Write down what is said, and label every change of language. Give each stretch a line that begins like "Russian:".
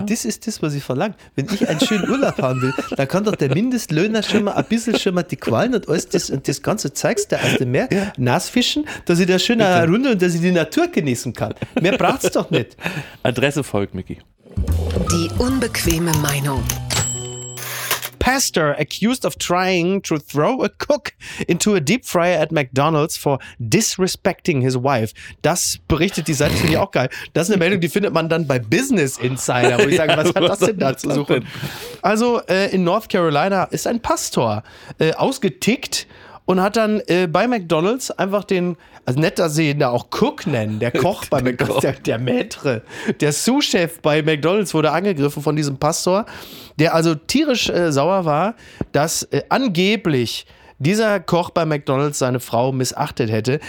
German: Und das ist das, was ich verlange. Wenn ich einen schönen Urlaub haben will, dann kann doch der Mindestlöhner schon mal ein bisschen schon mal die Quallen und alles das und das Ganze zeigst du aus dem Meer, nassfischen, dass ich da schön eine Runde und dass ich die Natur genießen kann. Mehr braucht es doch nicht. Adresse folgt, Micky. Die unbequeme Meinung.
English: Pastor accused of trying to throw a cook into a deep fryer at McDonald's for disrespecting his wife.
German: Das berichtet die Seite, finde ich auch geil. Das ist eine Meldung, die findet man dann bei Business Insider, wo ich sage, was hat das denn da zu suchen? Also in North Carolina ist ein Pastor ausgetickt. Und hat dann bei McDonald's einfach den, also nett, dass sie ihn da auch Cook nennen, der Koch bei McDonald's, der Maître, der Sous-Chef bei McDonald's wurde angegriffen von diesem Pastor, der also tierisch sauer war, dass angeblich dieser Koch bei McDonald's seine Frau missachtet hätte.